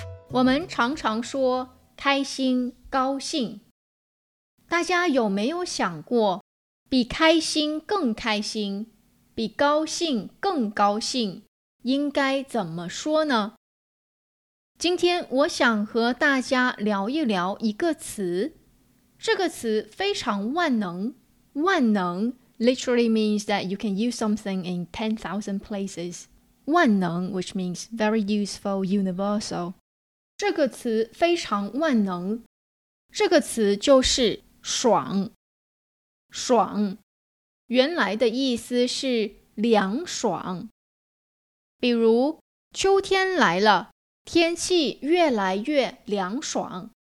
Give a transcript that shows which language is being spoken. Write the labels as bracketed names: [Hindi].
[Chinese] 我们常常说开心、高兴，大家有没有想过，比开心更开心，比高兴更高兴，应该怎么说呢？今天我想和大家聊一聊一个词，这个词非常万能。 [English] 万能 literally means that you can use something in 10,000 places. 万能 which means very useful, universal. [Chinese] 这个词非常万能，这个词就是爽。爽原来的意思是凉爽，比如秋天来了，天气越来越凉爽。